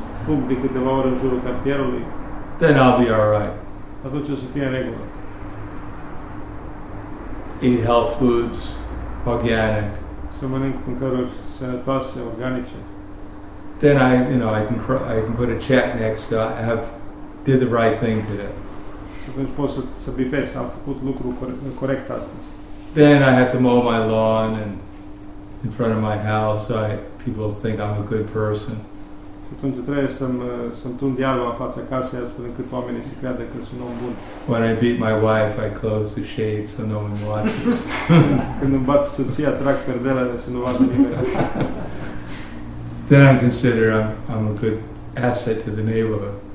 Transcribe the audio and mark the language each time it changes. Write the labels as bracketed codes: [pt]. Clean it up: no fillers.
[ro] Fug de câteva ori în jurul cartierului. [en] Then I'll be all right. [ro] Atunci o să fie în regulă. [en] Eat health foods, organic. [ro] Să mănânc mâncăruri sănătoase, organice. [en] Then I can put a check next to I have did the right thing today. [ro] Atunci pot să bifez, am făcut lucrul corect astăzi. [en] Then I have to mow my lawn and in front of my house, people think I'm a good person. [ro] atunci trebuie să tund iarba în fața casei astfel încât oamenii să creadă că sunt om bun. [en] When I beat my wife, I close the shades so no one watches. [ro] Când îmi bat soția, trag perdelele să nu vadă nimeni. [en] Then I consider I'm a good asset to the neighborhood.